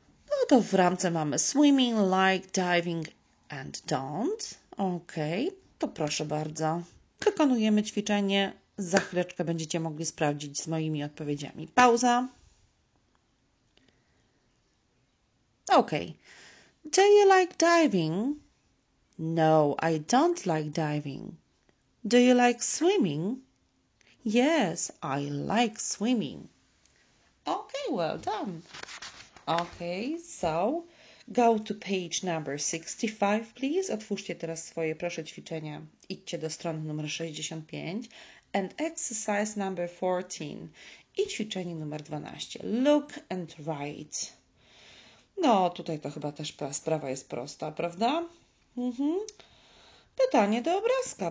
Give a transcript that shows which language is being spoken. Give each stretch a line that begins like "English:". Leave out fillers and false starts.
Polish: No to w ramce mamy swimming, like, diving and don't, ok? To proszę bardzo, wykonujemy ćwiczenie. Za chwileczkę będziecie mogli sprawdzić z moimi odpowiedziami. Pauza.
English: Ok. Do you like diving? No, I don't like diving. Do you like swimming? Yes, I like swimming. Okay, well done. Okay, so go to page number 65, please.
Polish: Otwórzcie teraz swoje, proszę, ćwiczenia. Idźcie do strony numer 65.
English: And exercise number 14.
Polish: I ćwiczenie numer 12.
English: Look and write.
Polish: No, tutaj to chyba też sprawa jest prosta, prawda? Pytanie do obrazka.